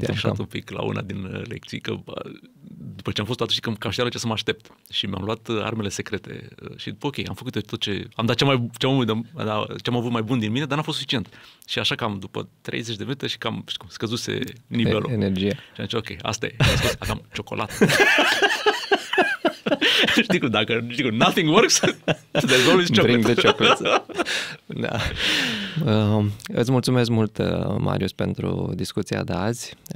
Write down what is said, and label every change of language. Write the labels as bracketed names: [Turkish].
[Romanian] Eu am trășat un pic la una din lecții, că după ce am fost atunci, că știam ce să mă aștept. Și mi-am luat armele secrete. Și ok, am făcut tot ce... Am dat ce am avut mai bun din mine, dar n-a fost suficient. Și așa cam după 30 de minute și cam scăzuse nivelul. Energia. Și am zis, ok, asta e. Am ciocolată. Știi cum, dacă [English] nothing works, there's always chocolate. Bring the chocolate. [Romanian] Da. Îți mulțumesc mult, Marius, pentru discuția de azi.